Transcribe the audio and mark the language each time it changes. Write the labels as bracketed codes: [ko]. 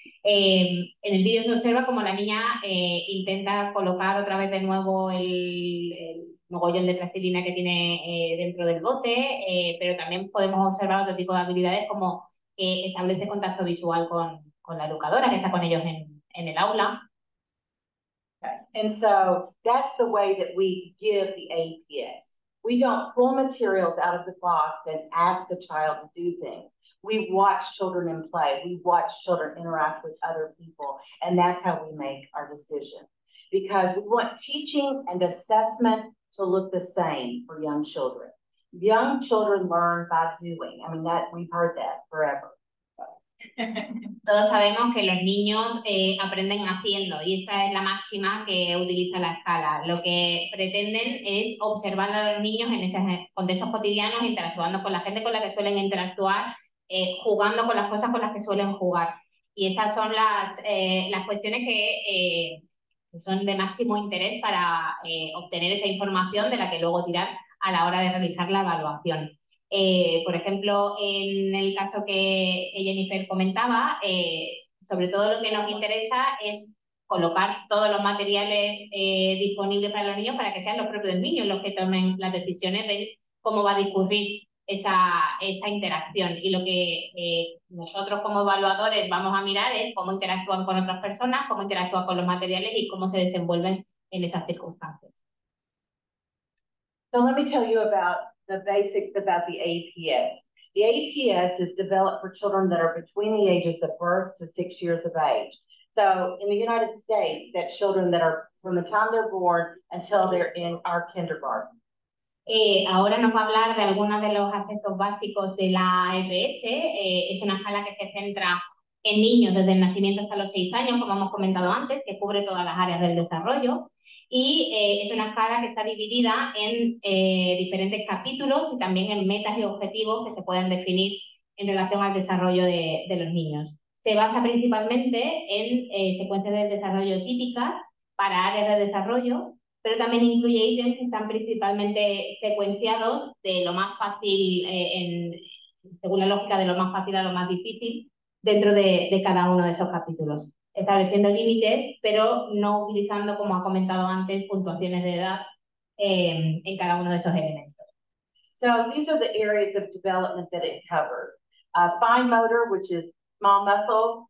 [es] En el vídeo se observa como la niña intenta colocar otra vez de nuevo el mogollón de plastilina que tiene dentro del bote, pero también podemos observar otro tipo de habilidades como que establece contacto visual con la educadora que está con ellos en el aula. [en] Okay. And so that's the way that we give the APS. We don't pull materials out of the box and ask the child to do things. We watch children in play. We watch children interact with other people. And that's how we make our decision. Because we want teaching and assessment to look the same for young children. Young children learn by doing. I mean, that we've heard that forever. [es] Todos sabemos que los niños aprenden haciendo, y esta es la máxima que utiliza la escala. Lo que pretenden es observar a los niños en esos contextos cotidianos, interactuando con la gente con la que suelen interactuar, jugando con las cosas con las que suelen jugar. Y estas son las cuestiones que son de máximo interés para obtener esa información de la que luego tirar a la hora de realizar la evaluación. Por ejemplo, en el caso que Jennifer comentaba, sobre todo lo que nos interesa es colocar todos los materiales disponibles para los niños para que sean los propios niños los que tomen las decisiones de cómo va a discurrir esa interacción. Y lo que nosotros como evaluadores vamos a mirar es cómo interactúan con otras personas, cómo interactúan con los materiales y cómo se desenvuelven en esas circunstancias. [en] So let me tell you about the basics about the APS. The APS is developed for children that are between the ages of birth to 6 years of age. So in the United States, that's children that are from the time they're born until they're in our kindergarten. [es] Ahora nos va a hablar de algunos de los aspectos básicos de la APS. Es una escala que se centra en niños desde el nacimiento hasta los 6 años, como hemos comentado antes, que cubre todas las áreas del desarrollo. Y es una escala que está dividida en diferentes capítulos y también en metas y objetivos que se pueden definir en relación al desarrollo de los niños. Se basa principalmente en secuencias de desarrollo típicas para áreas de desarrollo, pero también incluye ítems que están principalmente secuenciados de lo más fácil, según la lógica de lo más fácil a lo más difícil, dentro de cada uno de esos capítulos. Estableciendo límites, pero no utilizando, como ha comentado antes, puntuaciones de edad en cada uno de esos elementos. [en] So these are the areas of development that it covers. Fine motor, which is small muscle.